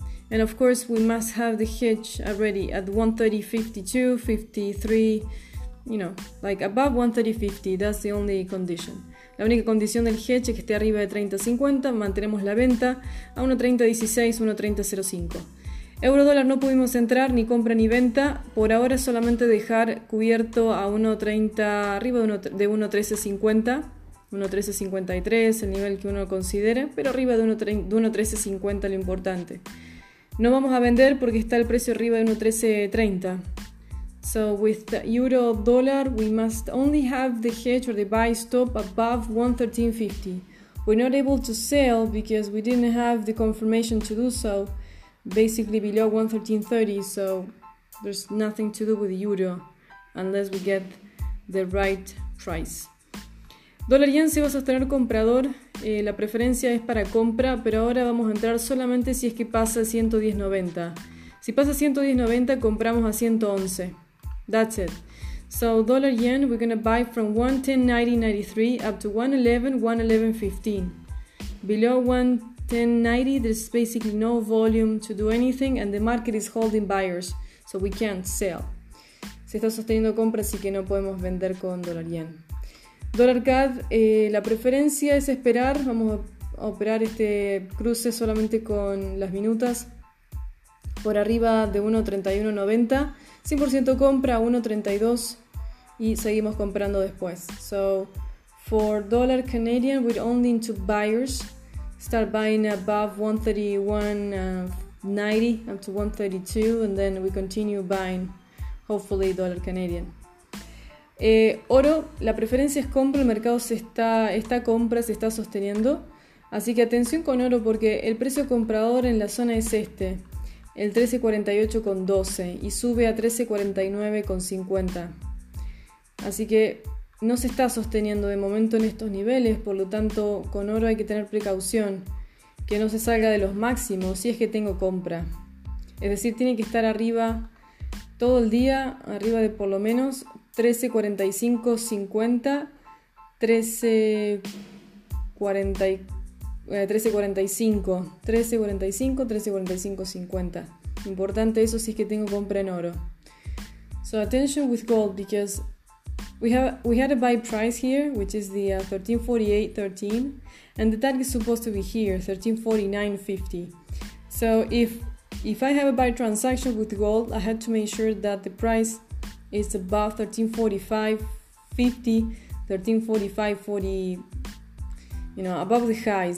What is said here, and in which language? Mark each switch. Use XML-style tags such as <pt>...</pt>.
<en>And of course, we must have the hedge already at 1.30.52, 53, you know, like above 1.30.50. That's the only condition.</en> <es>La única condición del hedge es que esté arriba de 30.50. Mantenemos la venta a 1.30.16, 1.30.05. Euro dólar no pudimos entrar, ni compra ni venta. Por ahora es solamente dejar cubierto a 1.30, arriba de 1.13.50. 1.13.53, el nivel que uno considere, pero arriba de 1.13.50 lo importante. No vamos a vender porque está el precio arriba de 1.13.30.</es> <en>So with the euro dollar, we must only have the hedge or the buy stop above 1.13.50. We're not able to sell because we didn't have the confirmation to do so, basically below 1.13.30. So there's nothing to do with the euro unless we get the right price.</en> <es>Dólar yen, si vas a tener comprador, la preferencia es para compra, pero ahora vamos a entrar solamente si es que pasa 110.90. Si pasa 110.90, compramos a 111.</es> <en>That's it. So dollar yen, we're going to buy from 1.10.90.93 up to 1.11.15. Below 1.10.90, there's basically no volume to do anything and the market is holding buyers, so we can't sell.</en> <es>Se está sosteniendo compra, así que no podemos vender con dólar yen. Dólar CAD, la preferencia es esperar, vamos a operar este cruce solamente con las minutas, por arriba de 1.31.90, 100% compra, 1.32 y seguimos comprando después.</es> <en>So, for dólar Canadian, we're only into buyers, start buying above 1.31.90 up to 1.32 and then we continue buying, hopefully, dólar Canadian.</en> <es>Oro, la preferencia es compra, el mercado se está sosteniendo, así que atención con oro porque el precio comprador en la zona es este, el 13.48.12 y sube a 13.49.50, así que no se está sosteniendo de momento en estos niveles, por lo tanto con oro hay que tener precaución, que no se salga de los máximos si es que tengo compra, es decir, tiene que estar arriba todo el día, arriba de por lo menos 13.45.50, 13.45.50. Importante eso si es que tengo compra en oro.</es> <en>So attention with gold because we had a buy price here, which is the 1348.13, and the target is supposed to be here, 1349.50. So if I have a buy transaction with gold, I had to make sure that the price it's above 1345.50, 1345.40, you know, above the highs.</en>